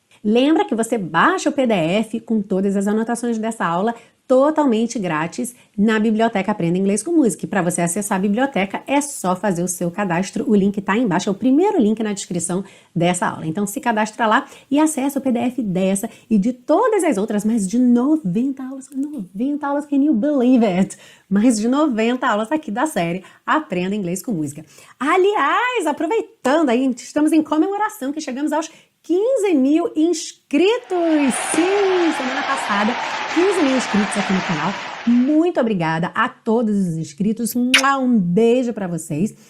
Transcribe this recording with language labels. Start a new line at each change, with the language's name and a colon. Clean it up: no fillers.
Portuguese: Lembra que você baixa o PDF com todas as anotações dessa aula totalmente grátis na Biblioteca Aprenda Inglês com Música. Para você acessar a biblioteca, é só fazer o seu cadastro. O link está aí embaixo, é o primeiro link na descrição dessa aula. Então, se cadastra lá e acessa o PDF dessa e de todas as outras, mais de 90 aulas.
English: 90 aulas, can you believe it?
Portuguese: Mais de 90 aulas aqui da série Aprenda Inglês com Música. Aliás, aproveitando aí, estamos em comemoração que chegamos aos 15 mil inscritos! Sim, semana passada, 15 mil inscritos aqui no canal. Muito obrigada a todos os inscritos. Um beijo para vocês.